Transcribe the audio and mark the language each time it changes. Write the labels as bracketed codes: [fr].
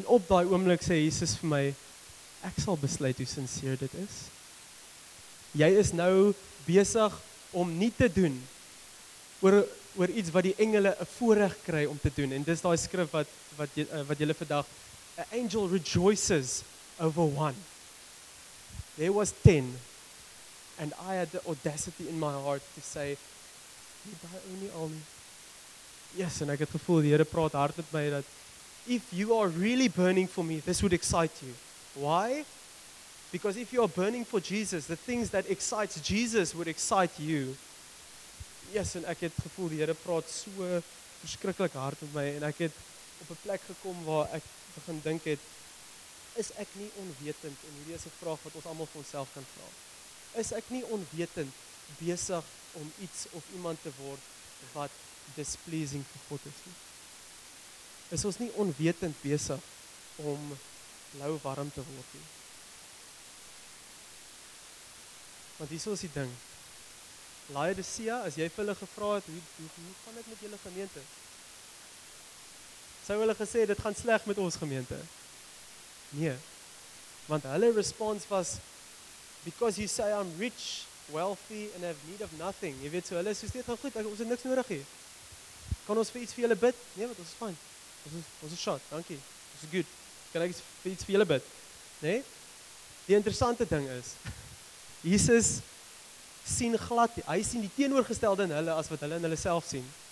[af] En op daai oomblik sê Jesus vir my, ek sal besluit hoe sinseer dit is. Jy is nou besig om nie te doen oor iets wat die engele 'n voorreg kry om te doen. En dis daai skrif wat julle vandag, [en] an angel rejoices over one. There was 10, and I had the audacity in my heart to say, [af] nie daai ou nie al nie. [en] Yes, [af] en ek het gevoel, die Here praat hard met my, dat [en] if you are really burning for me, this would excite you. Why? Because if you are burning for Jesus, the things that excites Jesus would excite you. [af] Yes, en ek het gevoel, die Here praat so verskriklik hard met my, en ek het op 'n plek gekom waar ek begin dink het, is ek nie onwetend, en hierdie is 'n vraag wat ons allemaal vir onsself kan vra, is ek nie onwetend besig om iets of iemand te word wat displeasing vir God is nie? Is ons nie onwetend besig om lou warm te word nie? Want hier is die ding, Laodicea, as jy vir hulle gevra het, hoe gaan dit met julle gemeente? Sou hulle gesê, dit gaan sleg met ons gemeente? Nee, want hulle respons was, [en] because you say I'm rich, wealthy, and have need of nothing. [af] Jy weet so, hulle soos dit gaan goed, ons het niks nodig hier. Kan ons vir iets vir julle bid? Nee, want ons is fine. Ons is shot, dankie. Ons is good. Kan ek iets vir julle bid? Nee? Die interessante ding is, Jesus sien glad, hy sien die teenoorgestelde in hulle as wat hulle in hulle self sien.